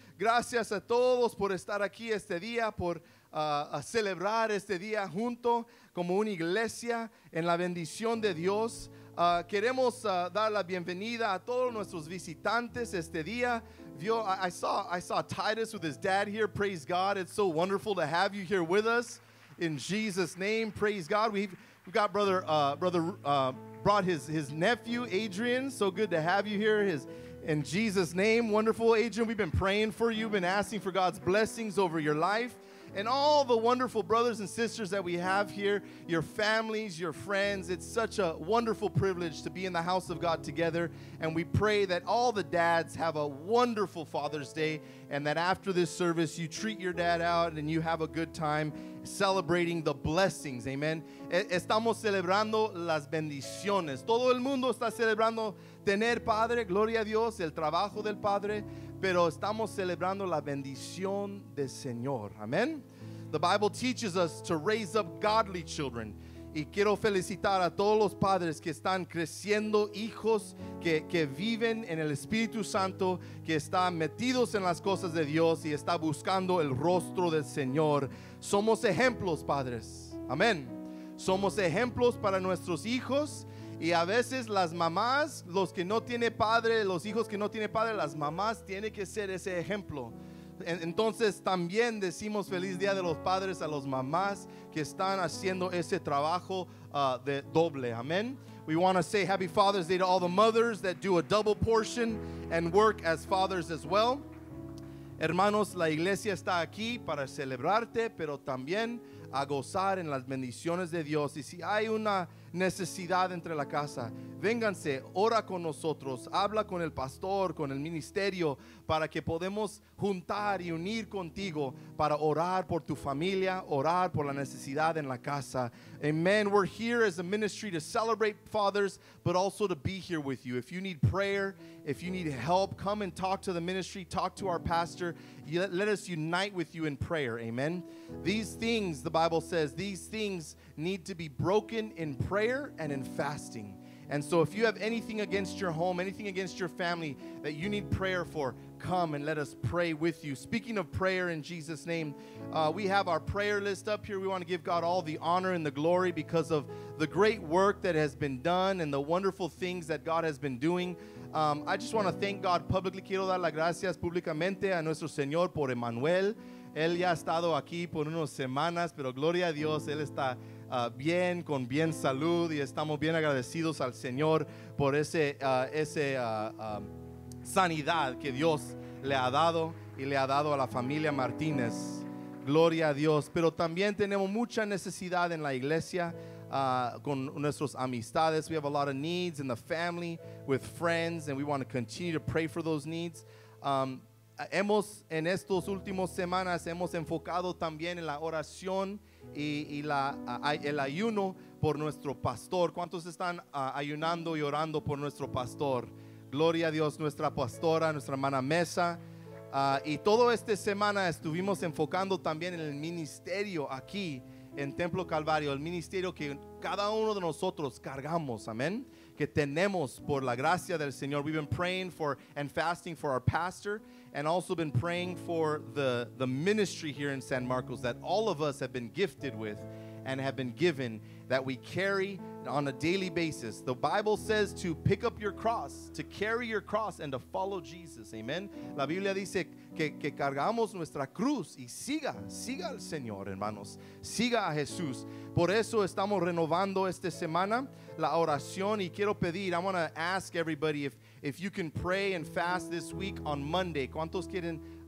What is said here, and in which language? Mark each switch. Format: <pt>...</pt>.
<es>Gracias a todos por estar aquí este día, por a celebrar este día junto como una iglesia en la bendición de Dios. Queremos dar la bienvenida a todos nuestros visitantes este día.</es> <en>I saw Titus with his dad here. Praise God. It's so wonderful to have you here with us. In Jesus' name, praise God. We've got brother brought his nephew Adrian. So good to have you here. In Jesus' name, wonderful Adrian. We've been praying for you. Been asking for God's blessings over your life and all the wonderful brothers and sisters that we have here. Your families, your friends. It's such a wonderful privilege to be in the house of God together. And we pray that all the dads have a wonderful Father's Day and that after this service you treat your dad out and you have a good time. Celebrating the blessings, amen.</en> <es>Estamos celebrando las bendiciones. Todo el mundo está celebrando tener padre, gloria a Dios, el trabajo del padre, pero estamos celebrando la bendición del Señor, amen.</es> <en>The Bible teaches us to raise up godly children.</en> <es>Y quiero felicitar a todos los padres que están creciendo hijos que viven en el Espíritu Santo, que están metidos en las cosas de Dios y está buscando el rostro del Señor. Somos ejemplos, padres. Amén. Somos ejemplos para nuestros hijos. Y a veces las mamás, los que no tienen padre, los hijos que no tienen padre, las mamás tienen que ser ese ejemplo. Entonces también decimos feliz día de los padres a las mamás que están haciendo ese trabajo de doble. Amén.</es> <en>We want to say happy Father's Day to all the mothers that do a double portion and work as fathers as well.</en> <es>Hermanos, la iglesia está aquí para celebrarte, pero también a gozar en las bendiciones de Dios. Y si hay una necesidad entre la casa, vénganse, ora con nosotros, habla con el pastor, con el ministerio, para que podamos juntar y unir contigo para orar por tu familia, orar por la necesidad en la casa.</es> <en>Amen. We're here as a ministry to celebrate fathers, but also to be here with you. If you need prayer, if you need help, come and talk to the ministry, talk to our pastor. Let us unite with you in prayer. Amen. These things, the Bible says, these things need to be broken in prayer and in fasting. And so if you have anything against your home, anything against your family that you need prayer for, come and let us pray with you. Speaking of prayer, in Jesus' name, we have our prayer list up here. We want to give God all the honor and the glory because of the great work that has been done and the wonderful things that God has been doing. I just want to thank God publicly.</en> <es>Quiero dar las gracias públicamente a nuestro Señor por Emmanuel. Él ya ha estado aquí por unas semanas, pero gloria a Dios, Él está bien, con bien salud, y estamos bien agradecidos al Señor por esa sanidad que Dios le ha dado y le ha dado a la familia Martínez. Gloria a Dios. Pero también tenemos mucha necesidad en la iglesia con nuestras amistades.</es> <en>We have a lot of needs in the family with friends, and we want to continue to pray for those needs.</en> <es>Hemos en estos últimos semanas hemos enfocado también en la oración y el ayuno por nuestro pastor. ¿Cuántos están ayunando y orando por nuestro pastor? Gloria a Dios, nuestra pastora, nuestra hermana Mesa. Y toda esta semana estuvimos enfocando también en el ministerio aquí en Templo Calvario, el ministerio que cada uno de nosotros cargamos, amén, que tenemos por la gracia del Señor.</es> <en>We've been praying for and fasting for our pastor, and also been praying for the ministry here in San Marcos that all of us have been gifted with and have been given, that we carry on a daily basis. The Bible says to pick up your cross, to carry your cross, and to follow Jesus. Amen.</en> <es>La Biblia dice que cargamos nuestra cruz y siga al Señor, hermanos. Siga a Jesús. Por eso estamos renovando esta semana la oración, y quiero pedir,</es> <en>I want to ask everybody if you can pray and fast this week on Monday.</en> <es>¿Cuántos quieren?</es>